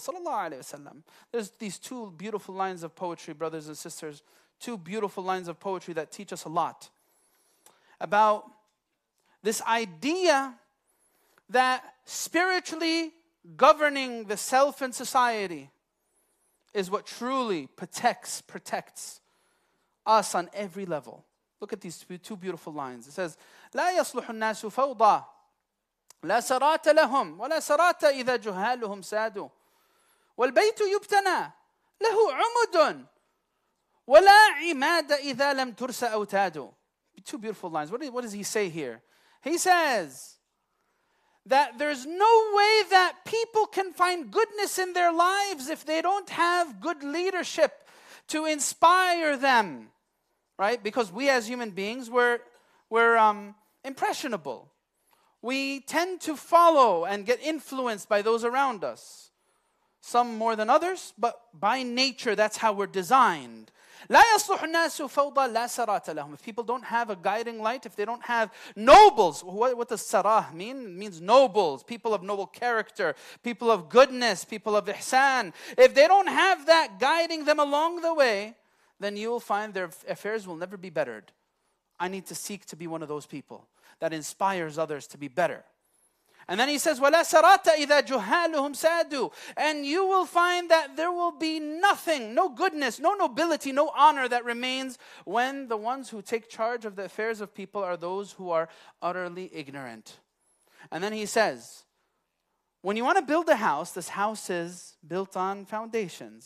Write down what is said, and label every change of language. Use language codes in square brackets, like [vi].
[en] Sallallahu alaihi wasallam. There's these two beautiful lines of poetry, brothers and sisters, two beautiful lines of poetry that teach us a lot about this idea that spiritually governing the self and society is what truly protects us on every level. Look at these two beautiful lines. It says, [ar] لا يصلح الناس فوضى لا سرات لهم ولا سرات إذا جهالهم سادوا والبيت يبتنى له عمد ولا عماد إذا لم ترس أوتادوا. [en] Two beautiful lines. What does he say here? He says that there's no way that people can find goodness in their lives if they don't have good leadership to inspire them, right? Because we as human beings, we're impressionable. We tend to follow and get influenced by those around us. Some more than others, but by nature, that's how we're designed. [ar] لا يصلح الناس فوضى لا سرات لهم. [en] If people don't have a guiding light, if they don't have nobles, what does sarah mean? It means nobles, people of noble character, people of goodness, people of ihsan. If they don't have that guiding them along the way, then you will find their affairs will never be bettered. I need to seek to be one of those people that inspires others to be better. And then he says, [ar] وَلَا سَرَاتَ إِذَا جُهَالُهُمْ سَادُوا. [en] And you will find that there will be nothing, no goodness, no nobility, no honor that remains when the ones who take charge of the affairs of people are those who are utterly ignorant. And then he says, when you want to build a house, this house is built on foundations.